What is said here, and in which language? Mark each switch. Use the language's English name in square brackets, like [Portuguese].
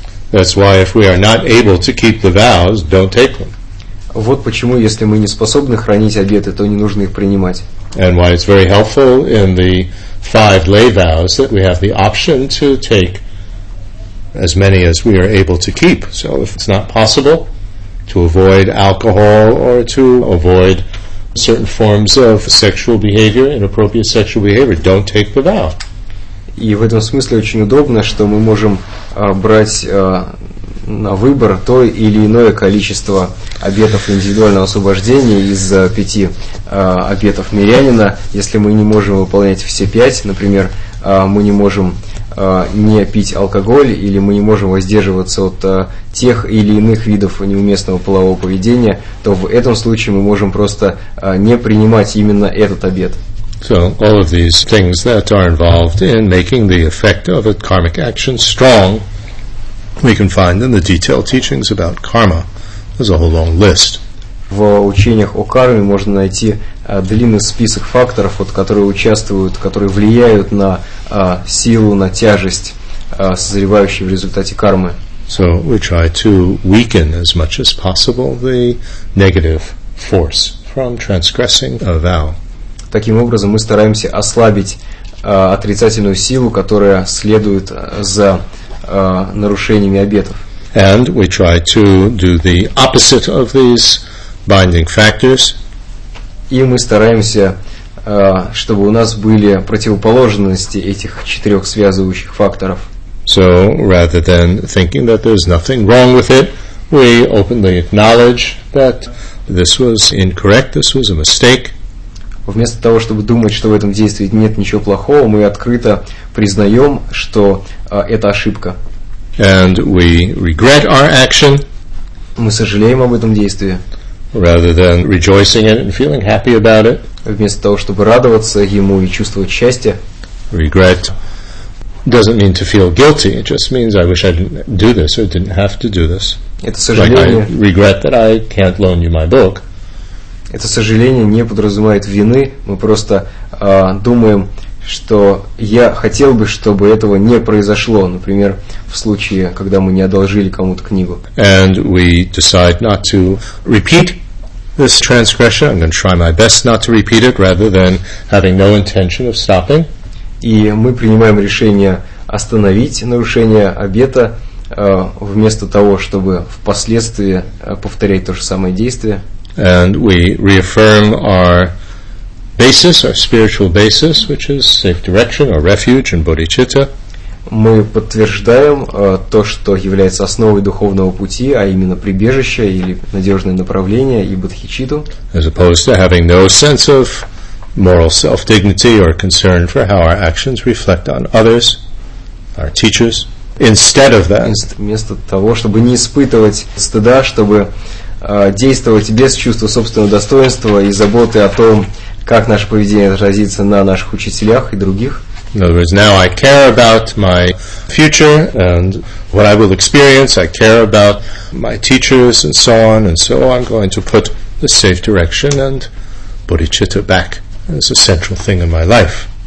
[English] That's why if we are not able to keep the vows, don't take them. [Russian] Вот почему, если мы не способны хранить обеты, то не нужно их принимать. [English] And why it's very helpful in the five lay vows that we have the option to take as many as we are able to keep. So if it's not possible to avoid alcohol or to avoid certain forms of sexual behavior, inappropriate sexual behavior, don't take the vow. [Russian] И в этом смысле очень удобно, что мы можем брать на выбор то или иное количество обетов индивидуального освобождения из пяти обетов мирянина. Если мы не можем выполнять все пять, например, мы не можем не пить алкоголь, или мы не можем воздерживаться от тех или иных видов неуместного полового поведения, то в этом случае мы можем просто не принимать именно этот обет. [English] So, all of these things that are involved in making the effect of a karmic action strong, we can find in the detailed teachings about karma. There's a whole long list. [Russian] В учениях о карме можно найти длинный список факторов, вот, которые участвуют, которые влияют на силу, на тяжесть, созревающей в результате кармы. [English] So we try to weaken as much as possible the negative force from transgressing a vow. [Russian] Таким образом, мы стараемся ослабить отрицательную силу, которая следует за нарушениями обетов. [English] And we try to do the opposite of these binding factors. [Russian] И мы стараемся, чтобы у нас были противоположности этих четырех связывающих факторов. [English] So, rather than thinking that there's nothing wrong with it, we openly acknowledge that this was incorrect, this was a mistake. [Russian] Вместо того, чтобы думать, что в этом действии нет ничего плохого, мы открыто признаем, что это ошибка. [English] And we regret our action. [Russian] Мы сожалеем об этом действии. [English] Rather than rejoicing in it and feeling happy about it. [Russian] Вместо того, чтобы радоваться ему и чувствовать счастье. [English] Regret doesn't mean to feel guilty. It just means I wish I didn't do this or didn't have to do this. [Russian] Это сожаление. [English] Like I regret that I can't loan you my book. [Russian] Это сожаление не подразумевает вины. Мы просто думаем, что я хотел бы, чтобы этого не произошло, например, в случае, когда мы не одолжили кому-то книгу. [English] And we decide not to repeat this transgression. I'm going to try my best not to repeat it, rather than having no intention of stopping. [Russian] И мы принимаем решение остановить нарушение обета, вместо того, чтобы впоследствии повторять то же самое действие. [English] And we reaffirm our basis, our spiritual basis, which is safe direction or refuge in bodhicitta. [Russian] Мы подтверждаем то, что является основой духовного пути, а именно прибежище или надежное направление и бодхичитту. [English] As opposed to having no sense of moral self-dignity or concern for how our actions reflect on others, our teachers. Instead of that, [Russian] вместо того, чтобы не испытывать стыда, чтобы действовать без чувства собственного достоинства и заботы о том, как наше поведение отразится на наших учителях и других. [English] In other words, now I care about my future and what I will experience. I care about my teachers and so on. And so I'm going to put the safe direction and bodhicitta back as a central thing in my life.